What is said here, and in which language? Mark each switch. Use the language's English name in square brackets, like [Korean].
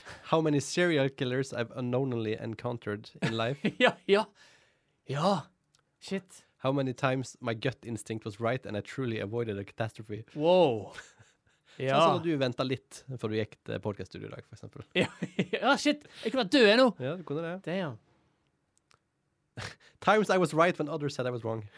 [English] How many serial killers I've unknowingly encountered in life? [Norwegian] Ja, shit. [English] How many times my gut instinct was right and I truly avoided a catastrophe. Wow. Ja. [Norwegian] Sånn at du ventet litt før du gikk til podcaststudio i dag, for eksempel. Ja, shit. Jeg kunne vært død ennå. Ja, du kunne det. [English] Damn. Times I was right when others said I was wrong.